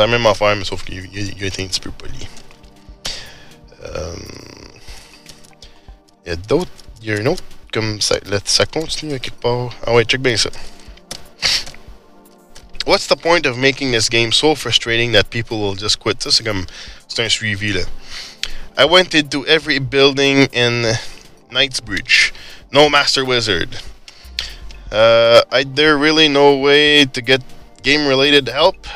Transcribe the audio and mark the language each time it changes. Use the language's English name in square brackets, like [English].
[English] I'm in my farm, so you think it's pretty poly. [French] Y'a d'autres, y'a un autre, comme ça, là, ça continue à quelque part. Ah ouais, check bien ça. [English] What's the point of making this game so frustrating that people will just quit? [French] Ça, c'est comme, c'est un suivi, là. [English] I went into every building in Knightsbridge. No Master Wizard. Is there really no way to get game-related help?